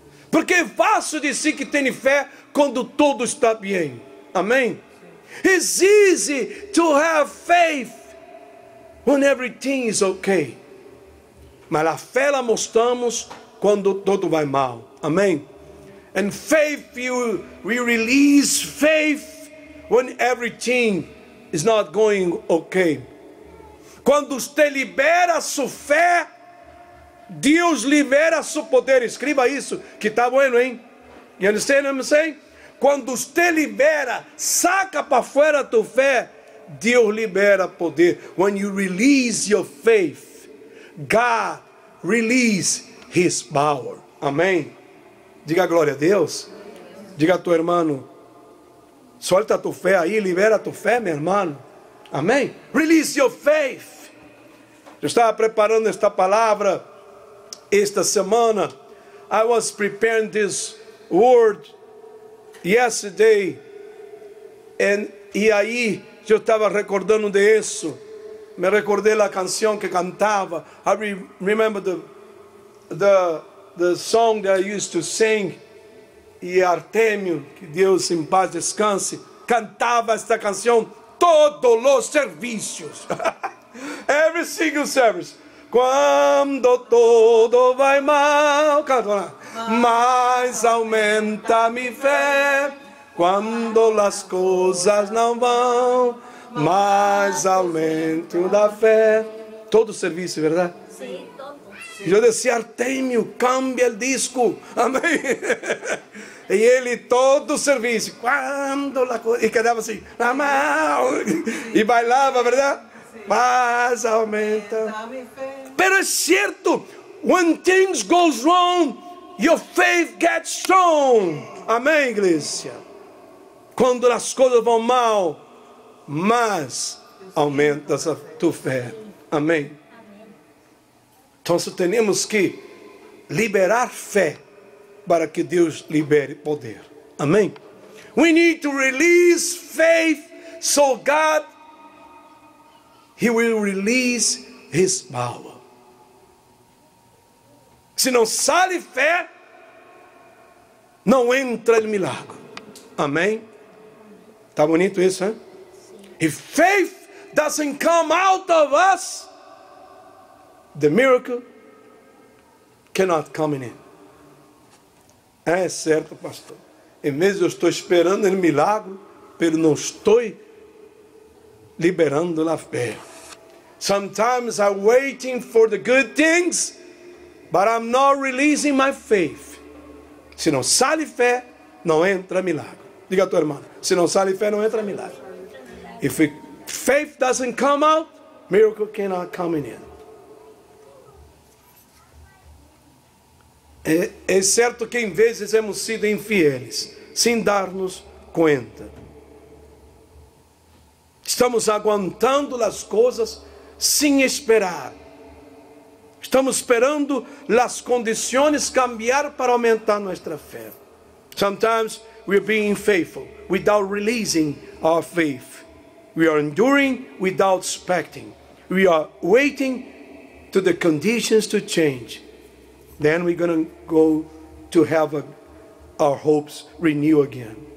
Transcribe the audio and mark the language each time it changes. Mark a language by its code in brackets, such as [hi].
[pt] Porque é fácil de si que tem fé quando tudo está bem. Amém? [en] It's easy to have faith when everything is okay. [pt] Mas a fé la mostramos quando tudo vai mal. Amém? [en] And faith, we release faith when everything is not going okay. [pt] Quando você libera sua fé, Deus libera seu poder. Escreva isso, que está bueno, hein? [en] You understand what I'm saying? [pt] Quando você libera, saca para fora a tua fé, Deus libera poder. [en] When you release your faith, God release His power. [pt] Amém? Diga glória a Deus. Diga a teu irmão, solta a tua fé aí, libera a tua fé, meu irmão. Amém? [en] Release your faith. [pt] Eu estava preparando esta palavra esta semana. [en] I was preparing this word yesterday. [pt] E aí eu estava recordando de isso. Me recordei da canção que cantava. [en] I remember the song that I used to sing. [pt] E Artemio, que Deus em paz descanse, cantava esta canção todos os serviços. [en] Every single service. [pt] Quando tudo vai mal, canta lá. Mas aumenta a minha fé. Quando as coisas não vão, mas aumento da fé. Todo serviço, verdade? Sim. Eu disse, Artemio, cambia o disco. Amém. E ele todo o serviço. Quando la co... E quedava assim, na mão. E bailava, verdade? Sim. Mas aumenta. Pero é certo. [en] When things go wrong, your faith gets strong. [pt] Amém, igreja? Quando as coisas vão mal, mas aumenta a tua fé. Amém. Então, temos que liberar fé para que Deus libere poder. Amém? [en] We need to release faith so God, He will release His power. [pt] Se não sai fé, não entra o milagre. Amém? Está bonito isso, hein? [en] If faith doesn't come out of us, the miracle cannot come in. [pt] É certo, pastor. Em vez eu estou esperando o milagre, pero não estou liberando a fé. [en] Sometimes I'm waiting for the good things, but I'm not releasing my faith. [pt] Se não sai fé, não entra milagre. Diga a tua irmã, se não sai fé, não entra milagre. [en] If faith doesn't come out, miracle cannot come in. [pt] É certo que em vezes hemos sido infieles, sem dar-nos conta. Estamos aguentando as coisas sem esperar. Estamos esperando as condições cambiar para aumentar nossa fé. [en] Sometimes we are being faithful without releasing our faith. We are enduring without expecting. We are waiting to the conditions to change. Then we're going to go to have our hopes renew again.